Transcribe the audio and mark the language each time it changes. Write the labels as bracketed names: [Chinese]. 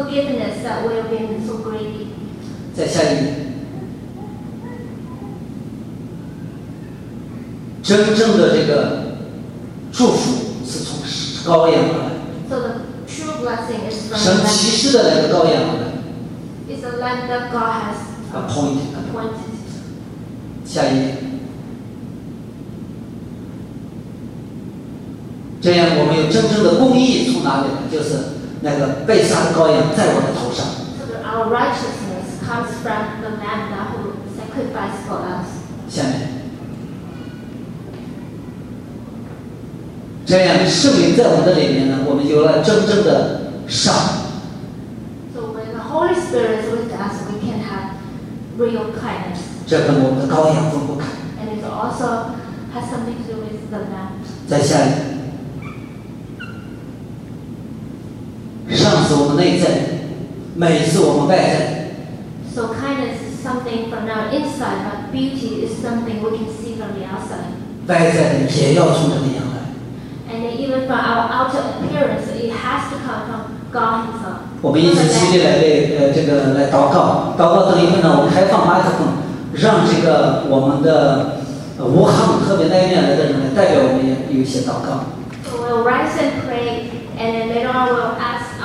[English] God for forgiveness that we have been so greedy. [Chinese] 再下一点，真正的这个祝福是从羔羊而来。 [English] So the true blessing is from [Chinese] 神启示的那个羔羊而来。 [English] It's a lamb that God has appointed. [Chinese] 下一点，这样我们有真正的公义从哪里来？就是。那个被杀的羔羊在我的头上。 [English] So that our righteousness comes from the Lamb that who sacrificed for us. [Chinese] 下面，这样圣灵在我们的里面呢，我们有了真正的赏。 [English] So when the Holy Spirit is with us, we can have real kindness. [Chinese] 这跟我们的羔羊分不开。 [English] And it also has something to do with the Lamb. [Chinese] 再下面。上是我们内在，美是我们外在。 [English] So kindness is something from our inside, but beauty is something we can see from the outside. [Chinese] 外在的也要从神里面来。 [English] And even from our outer appearance, it has to come from God Himself. [Chinese] 我们一起起立来为这个来祷告，祷告等一会呢，我开放麦克风，让这个我们的武汉特别那一面来的人来代表我们有一些祷告。 [English] So we'll rise and pray, and then later on we'll ask.